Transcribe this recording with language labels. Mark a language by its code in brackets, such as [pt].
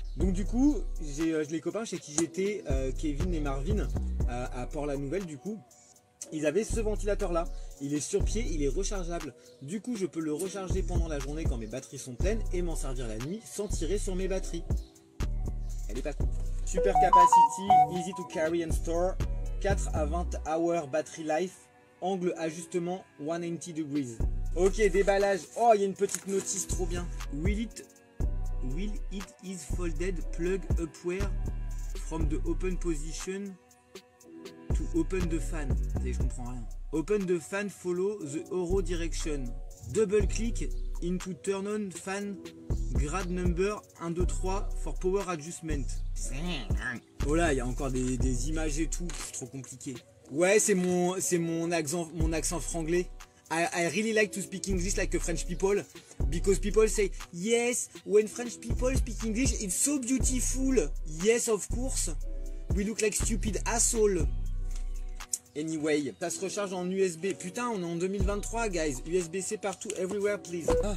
[fr] Donc du coup, j'ai les copains chez qui j'étais, Kevin et Marvin, à Port-la-Nouvelle du coup. Ils avaient ce ventilateur là, il est sur pied, il est rechargeable. Du coup je peux le recharger pendant la journée quand mes batteries sont pleines et m'en servir la nuit sans tirer sur mes batteries. Elle est pas cool. [en] Super capacity, easy to carry and store. 4 à 20 hours battery life. Angle ajustement 180 degrees. [fr] Ok, déballage. Oh, il y a une petite notice, trop bien. [en] Will it is folded plug upward from the open position to open the fan. [fr] Je comprends rien. [en] Open the fan follow the arrow direction. Double click into turn on fan. Grade number 1, 2, 3 for power adjustment. [fr] Oh là, il y a encore des images et tout, c'est trop compliqué. Ouais, c'est mon accent franglais. [en] I really like to speak English like a French people. Because people say, yes, when French people speak English, it's so beautiful. Yes, of course. We look like stupid assholes. Anyway, [fr] ça se recharge en USB. Putain, on est en 2023, [en] guys. [fr] USB-C partout, [en] everywhere, please.